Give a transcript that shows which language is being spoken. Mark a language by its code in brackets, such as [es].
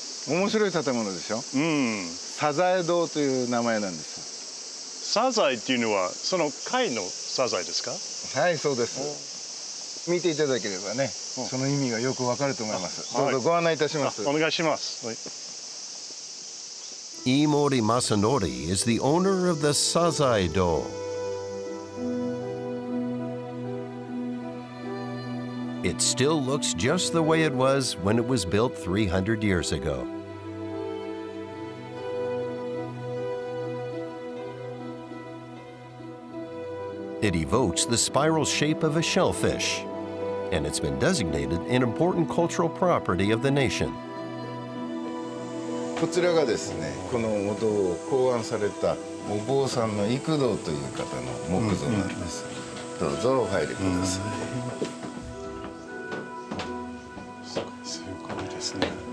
[ja] Omosuroi tatemono desu yo. Sazae Dō という名前なんです。 Sazae っていうのはその貝の Sazae ですか？はい、そうです。見ていただければね、その意味がよくわかると思います。どうぞご案内いたします。お願いします。 [en] Imori Masanori is the owner of the Sazae Dō. It still looks just the way it was when it was built 300 years ago. It evokes the spiral shape of a shellfish, and it's been designated an important cultural property of the nation. [ja] こちらがですね、このお堂を考案されたお坊さんの幾道という方の木像なんです。どうぞお入りください。すごいですね。